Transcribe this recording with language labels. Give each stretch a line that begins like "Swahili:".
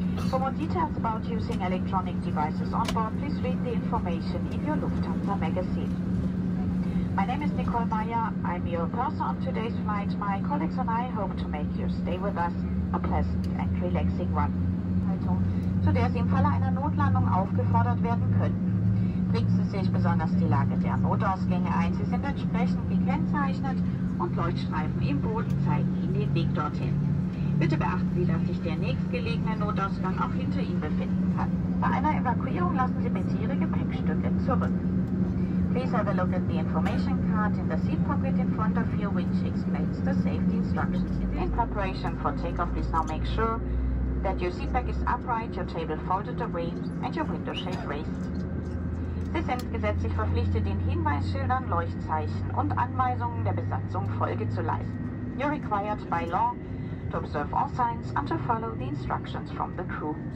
English: For more details about using electronic devices on board, please read the information in your Lufthansa magazine. My name is Nicole Meyer. I'm your purser on today's flight. My colleagues and I hope to make your stay with us a pleasant and relaxing one.
German: Zu der Sie im Falle einer Notlandung aufgefordert werden könnten. Bringen Sie sich besonders die Lage der Notausgänge ein. Sie sind entsprechend gekennzeichnet und Leuchtstreifen im Boden zeigen Ihnen den Weg dorthin. Bitte beachten Sie, dass sich der nächstgelegene Notausgang auch hinter Ihnen befinden kann. Bei einer Evakuierung lassen Sie bitte Ihre Gepäckstücke zurück.
English: Please have a look at the information card in the seat pocket in front of you, which explains the safety instructions. In preparation for takeoff, please now make sure that your seat back is upright, your table folded away and your window shade raised.
German: Sie sind gesetzlich verpflichtet, den Hinweisschildern, Leuchtzeichen und Anweisungen der Besatzung Folge zu leisten.
English: You're required by law to observe all signs and to follow the instructions from the crew.